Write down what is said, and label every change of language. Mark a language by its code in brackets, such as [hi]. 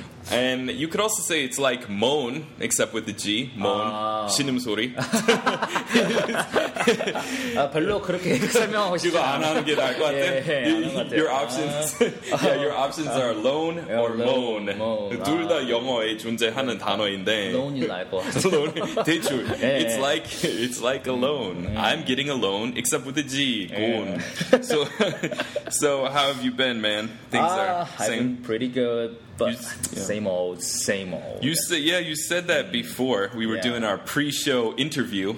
[en] And you could also say it's like moan, except with the G, moan. [ko] 신음 소리. 아, 별로 그렇게 설명하고 싶지 않아. 이거 안 하는 게 나을 것 같아. 예, 예, [en] your options, 아. yeah, your options 아. are loan or moan. moan. [ko] 둘 다 아. 영어에 존재하는 단어인데. loan이 나을 것 같아. [en] loan, 대출. 예, it's 예. like it's like a loan. I'm getting a loan, except with the G, 곤. 예. So, so how have you been, man? Things are same. I've been pretty good, but you, same yeah. old, same old. You said, yeah, you said that before we were doing our pre-show interview.